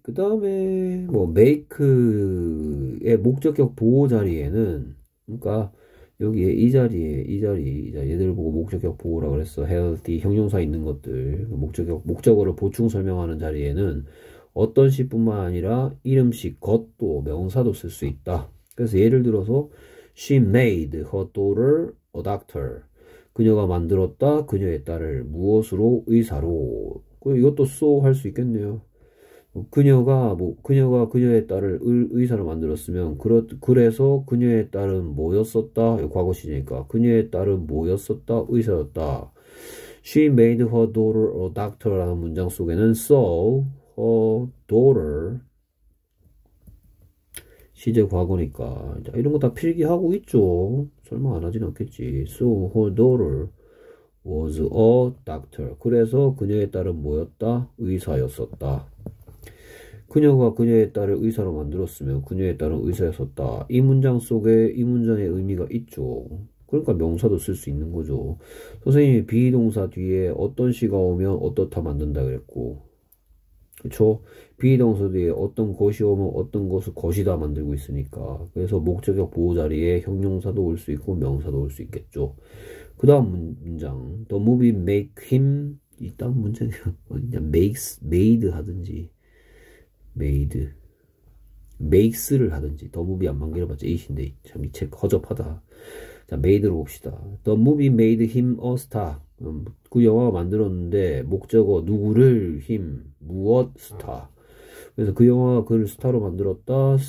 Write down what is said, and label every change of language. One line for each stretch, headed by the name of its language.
Korean: 그 다음에, 뭐, make의 목적격 보호 자리에는, 그러니까, 여기에 이 자리, 얘들 보고 목적격 보호라 그랬어. healthy, 형용사 있는 것들, 목적어를 보충 설명하는 자리에는 어떤 시뿐만 아니라 이름시, 것도, 명사도 쓸수 있다. 그래서 예를 들어서,
English: she made her daughter a doctor.
Korean: 그녀가 만들었다. 그녀의 딸을 무엇으로? 의사로. 이것도 so 할수 있겠네요. 그녀가 그녀의 딸을 의사로 만들었으면, 그래서 그녀의 딸은 뭐였었다? 과거 시제니까. 그녀의 딸은 뭐였었다? 의사였다.
English: She made her daughter a doctor
Korean: 라는 문장 속에는
English: so her daughter
Korean: 시제 과거니까 이런 거다 필기하고 있죠. 설마 안 하진 않겠지.
English: So her daughter was a doctor.
Korean: 그래서 그녀의 딸은 뭐였다? 의사였었다. 그녀가 그녀의 딸을 의사로 만들었으면 그녀의 딸은 의사였었다. 이 문장 속에 이 문장의 의미가 있죠. 그러니까 명사도 쓸수 있는 거죠. 선생님이 비동사 뒤에 어떤 시가 오면 어떻다 만든다 그랬고. 그쵸? 비동사 뒤에 어떤 것이 오면 어떤 것을 것이다 만들고 있으니까. 그래서 목적격 보호 자리에 형용사도 올수 있고 명사도 올수 있겠죠.
English: 그 다음 문장. The movie make him.
Korean: 이 다음 문장이 makes, made 하든지. made. makes를 하든지. The movie 안 만들어봤자 이신데 참이책 허접하다. 자, 메이드로 봅시다.
English: The movie made him a star.
Korean: 그 영화가 만들었는데, 목적어, 누구를, him, 무엇, star. 그래서 그 영화가 그를 스타로 만들었다.